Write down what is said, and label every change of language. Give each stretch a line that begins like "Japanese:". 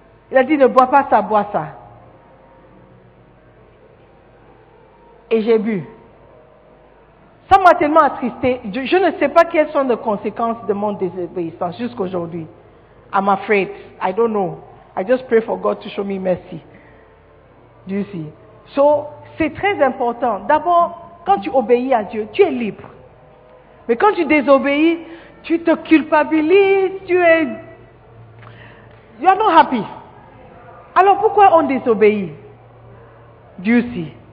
French: Il a dit, ne bois pas ça, bois ça. Et j'ai bu. Ça m'a tellement attristé. Je ne sais pas quelles sont les conséquences de mon désobéissance jusqu'à aujourd'hui.
English: I'm afraid. I don't know. I just pray for God to show me mercy. Do you see? So,
French: c'est très important. D'abord, quand tu obéis à Dieu, tu es libre. Mais quand tu désobéis, tu te culpabilises, tu es...
English: You are not happy.
French: Alors, pourquoi on désobéit?
English: Do you see?